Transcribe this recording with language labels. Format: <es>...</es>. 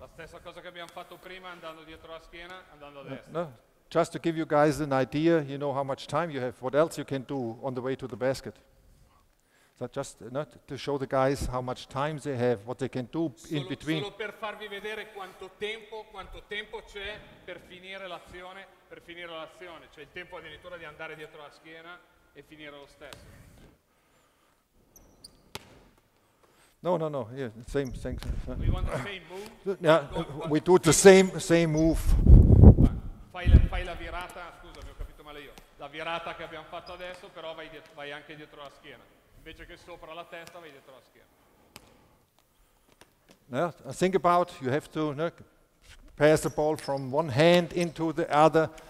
<it>La stessa cosa che abbiamo fatto prima, andando dietro la schiena, andando a destra.</it> <en>No, just to give you guys an idea, you know how much time you have. What else you can do on the way to the basket? So just not to show the guys how much time they have, what they can do</en> <it>solo,</it> <en>in between.</en> <it>Solo per farvi vedere quanto tempo c'è per finire l'azione, cioè il tempo addirittura di andare dietro la schiena e finire lo stesso.</it> <en>No. Yeah, same thing. We want the same move. Yeah, we do the same move.</en> <it>Fai la virata. Scusa, mi ho capito male io. La virata che abbiamo fatto adesso, però vai anche dietro la schiena. Invece che sopra la testa, vai dietro la schiena.</it> <en>Yeah, think about. You have to pass the ball from one hand into the other.</en>